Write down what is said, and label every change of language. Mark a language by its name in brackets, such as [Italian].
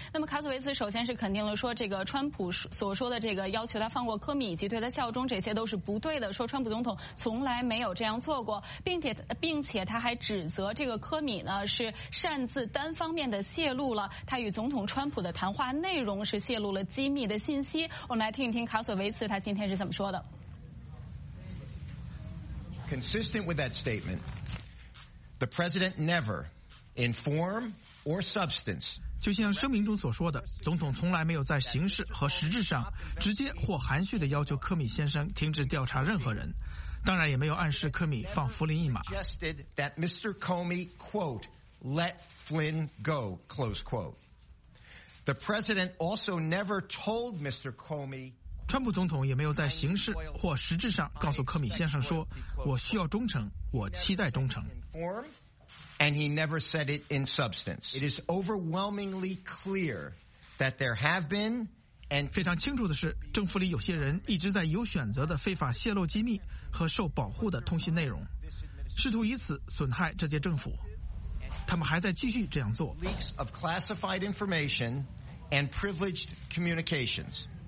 [Chinese] 那么卡索维茨首先是肯定了说，这个川普所说的这个要求他放过科米以及对他效忠这些都是不对的，说川普总统从来没有这样做过，并且他还指责这个科米呢是擅自单方面的泄露了他与总统川普的谈话内容，是泄露了机密的信息。我们来听一听卡索维茨他今天是怎么说的。 [English] Consistent with that statement, the president never, in form or substance. [Chinese] 就像声明中所说的，总统从来没有在形式和实质上直接或含蓄地要求科米先生停止调查任何人，当然也没有暗示科米放福林一马。 [English] Suggested that Mr. Comey quote let Flynn go close quote. The president also never told Mr. Comey. [Chinese] 川普总统也没有在形式或实质上告诉科米先生说，我需要忠诚，我期待忠诚。 [English] And he never said it in substance. It is overwhelmingly clear that there have been and [Chinese] 非常清楚的是，政府里有些人一直在有选择的非法泄露机密和受保护的通信内容，试图以此损害这届政府。他们还在继续这样做。 [English] Leaks of classified information and privileged communications.